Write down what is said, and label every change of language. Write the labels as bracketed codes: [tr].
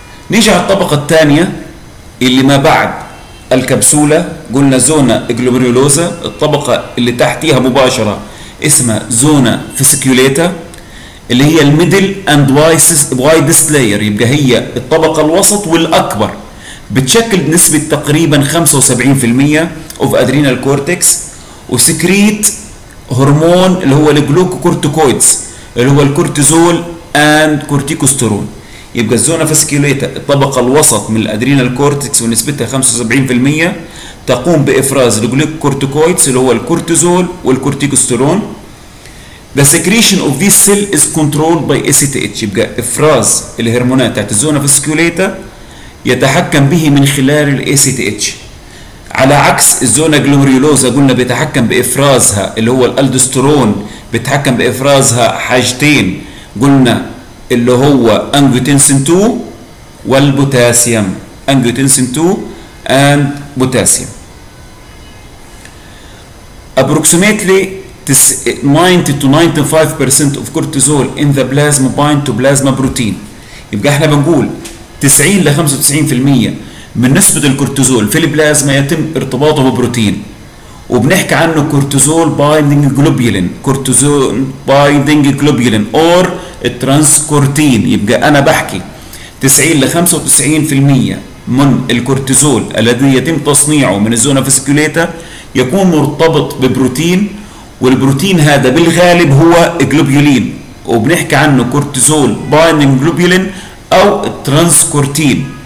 [ar] نيجي على الطبقة الثانية اللي ما بعد الكبسولة، قلنا زونة جلوميرولوزا، الطبقة اللي تحتيها مباشرة اسمها زونة فيسيكوليتا اللي هي [en] الميدل and widest layer, [ar] يبقى هي الطبقة الوسط والأكبر، بتشكل بنسبة تقريبا 75% [en] of adrenal cortex, [ar] وسكريت هرمون اللي هو الجلوكوكورتيكويدز اللي هو الكورتيزول اند كورتيكوسترون. يبقى الزونة فاسكيوليتا الطبقة الوسط من الأدرينال كورتكس ونسبتها 75% تقوم بإفراز الجلوكوكورتيكويدز اللي هو الكورتيزول والكورتيكوسترون. [en] The secretion of this cell is controlled by ACTH. [ar] يبقى إفراز الهرمونات تحت الزونة فاسكيوليتا يتحكم به من خلال الـ ACTH، على عكس الزونة جلوميرولوزا قلنا بيتحكم بإفرازها اللي هو الألدوسترون، بيتحكم بإفرازها حاجتين قلنا اللي هو انجيوتنسين 2 والبوتاسيوم، [en] Angiotensin 2 and potassium. Approximately 90 to 95% of cortisol in the plasma bind to plasma protein. [ar] يبقى احنا بنقول 90 ل 95% من نسبة الكورتيزول في البلازما يتم ارتباطه ببروتين، وبنحكي عنه كورتيزول بايندينج جلوبيولين، كورتيزول بايندينج جلوبيولين اور الترانسكورتين. يبقى انا بحكي 90 ل 95% من الكورتيزول الذي يتم تصنيعه من الزونة فاسكيوليتا يكون مرتبط ببروتين، والبروتين هذا بالغالب هو جلوبيولين، وبنحكي عنه كورتيزول بايندينج جلوبيولين او الترانسكورتين.